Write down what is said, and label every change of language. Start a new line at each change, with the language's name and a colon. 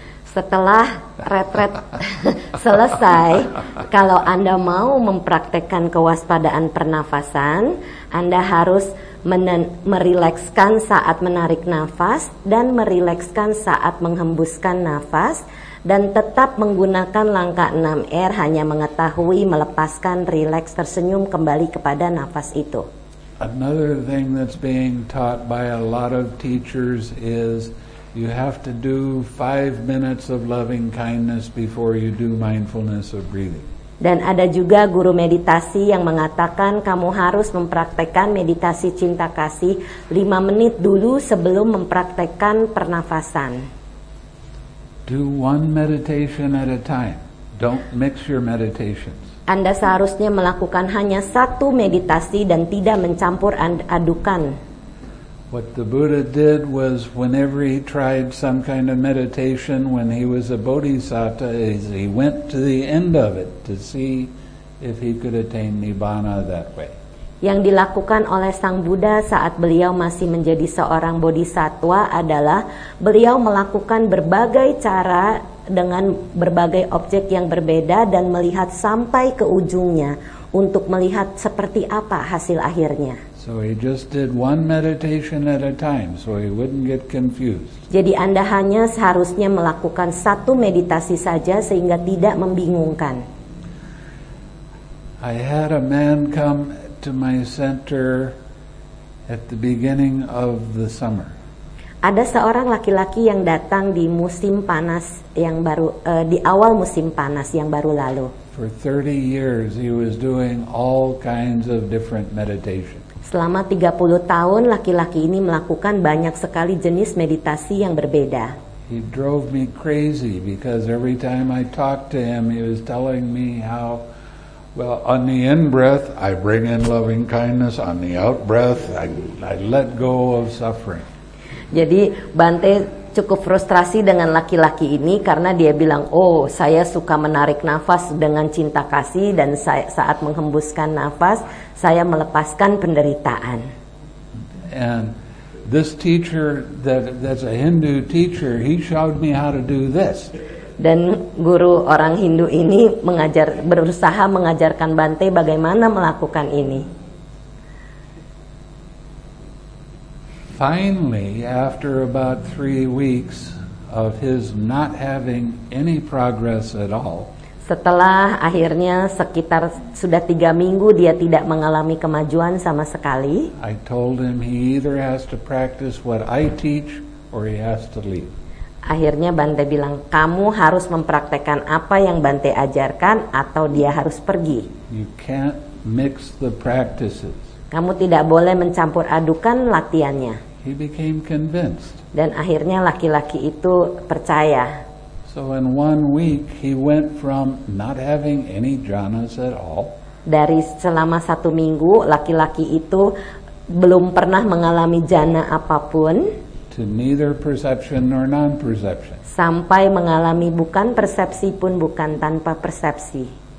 Indonesian: Setelah retret selesai, kalau Anda mau mempraktekkan kewaspadaan pernafasan, Anda harus merilekskan saat menarik nafas dan merilekskan saat menghembuskan nafas dan tetap menggunakan langkah 6 R, hanya mengetahui, melepaskan, rileks, tersenyum kembali kepada nafas itu.
English: Another thing that's being taught by a lot of teachers is you have to do 5 minutes of loving kindness before you do mindfulness of breathing.
Indonesian: Dan ada juga guru meditasi yang mengatakan kamu harus mempraktekkan meditasi cinta kasih 5 menit dulu sebelum mempraktekkan pernafasan.
English: Do one meditation at a time. Don't mix your meditations.
Indonesian: Anda seharusnya melakukan hanya satu meditasi dan tidak mencampur adukan.
English: What the Buddha did was whenever he tried some kind of meditation when he was a bodhisattva, he went to the end of it to see if he could attain nibbana that way.
Indonesian: Yang dilakukan oleh Sang Buddha saat beliau masih menjadi seorang bodhisattva adalah beliau melakukan berbagai cara dengan berbagai objek yang berbeda dan melihat sampai ke ujungnya untuk melihat seperti apa hasil akhirnya.
English: So he just did one meditation at a time so he wouldn't get confused.
Indonesian: Jadi Anda hanya seharusnya melakukan satu meditasi saja sehingga tidak membingungkan.
English: I had a man come to my center at the beginning of the summer.
Indonesian: Ada seorang laki-laki yang datang di musim panas yang baru di awal musim panas yang baru lalu.
English: For 30 years he was doing all kinds of different meditation.
Indonesian: Selama 30 tahun laki-laki ini melakukan banyak sekali jenis meditasi yang berbeda.
English: He drove me crazy because every time I talked to him he was telling me how well, on the in-breath, I bring in loving kindness. On the out-breath, I let go of suffering.
Indonesian: Jadi Bante cukup frustrasi dengan laki-laki ini karena dia bilang, oh, saya suka menarik nafas dengan cinta kasih dan saat menghembuskan nafas, saya melepaskan penderitaan.
English: And this teacher, that's a Hindu teacher, he showed me how to do this.
Indonesian: Dan guru orang Hindu ini berusaha mengajarkan Bante bagaimana melakukan ini.
English: Finally, after about 3 weeks of his not having any progress at all.
Indonesian: Setelah akhirnya sekitar sudah 3 minggu dia tidak mengalami kemajuan sama sekali.
English: I told him he either has to practice what I teach or he has to leave.
Indonesian: Akhirnya Bante bilang, kamu harus mempraktekkan apa yang Bante ajarkan atau dia harus pergi.
English: You can't mix the practices.
Indonesian: Kamu tidak boleh mencampur adukan latihannya.
English: He became convinced.
Indonesian: Dan akhirnya laki-laki itu percaya.
English: So in 1 week he went from not having any jhanas at all.
Indonesian: Dari selama 1 minggu laki-laki itu belum pernah mengalami jhana apapun.
English: To neither perception nor non-perception.
Indonesian: Sampai mengalami bukan persepsi pun bukan tanpa persepsi.